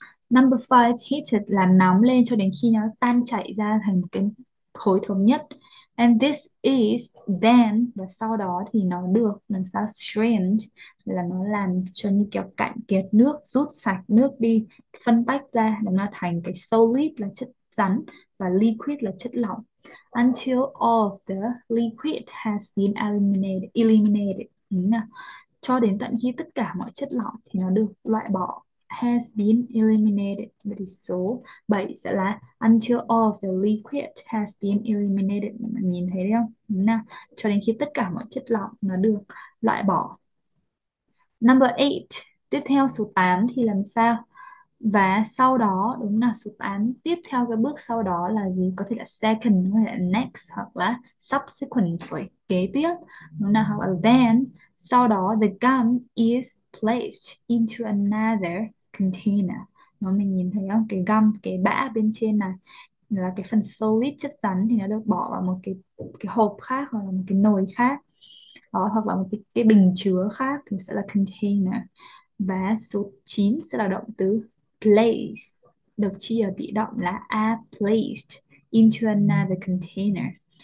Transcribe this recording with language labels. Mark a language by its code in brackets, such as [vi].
[vi] Number five, heated là nóng lên cho đến khi nó tan chảy ra thành một cái khối thống nhất. [en] And this is then, [vi] và sau đó thì nó được làm sao strained, là nó làm cho như kiểu cạn kiệt nước, rút sạch nước đi, phân tách ra để nó thành cái solid là chất rắn và liquid là chất lỏng. [en] Until all of the liquid has been eliminated. [vi] Đúng không? Cho đến tận khi tất cả mọi chất lỏng thì nó được loại bỏ. [en] Has been eliminated. [vi] Vậy thì số 7 sẽ là [en] until all of the liquid has been eliminated. [vi] Mình nhìn thấy đấy không? Đúng không? Cho đến khi tất cả mọi chất lỏng nó được loại bỏ. 8. Tiếp theo số 8 thì làm sao? Và sau đó, đúng là số 8. Tiếp theo cái bước sau đó là gì? Có thể là second, có thể là next, hoặc là subsequently, kế tiếp. Đúng là hoặc là then. Sau đó, [en] the gum is placed into another container. [vi] Nó mình nhìn thấy không? Cái gum, cái bã bên trên này là cái phần solid chất rắn thì nó được bỏ vào một cái hộp khác hoặc là một cái nồi khác. Đó, hoặc là một cái bình chứa khác thì sẽ là container. Và số 9 sẽ là động từ place, được chia bị động là [en] are placed into another container.